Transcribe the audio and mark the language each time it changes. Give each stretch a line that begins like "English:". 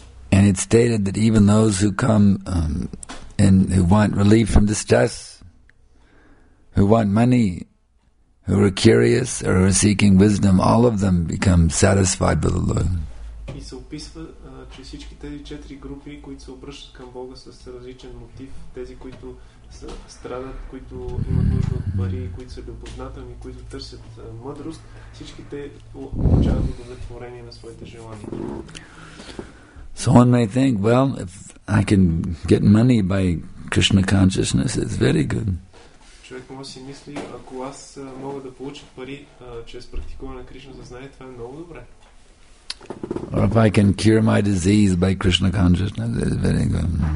English: And it's stated that even those who come and who want relief from distress, who want money, who are curious or who are seeking wisdom, all of them become satisfied with the Lord.
Bulgarian: И се описва, че всички тези четири групи, които се обръщат към Бога с различен мотив, тези, които страдат, които имат нужда от пари, които са любознателни, които търсят мъдрост, всичките получават удовлетворение на своите желания.
English: So one may think, well, if I can get money by Krishna consciousness, it's very good.
Bulgarian: Човек може си мисли, ако аз мога да получа пари чрез практикуване на Кришна съзнание, това е много добре.
English: Or if I can cure my disease by Krishna consciousness, that's very good.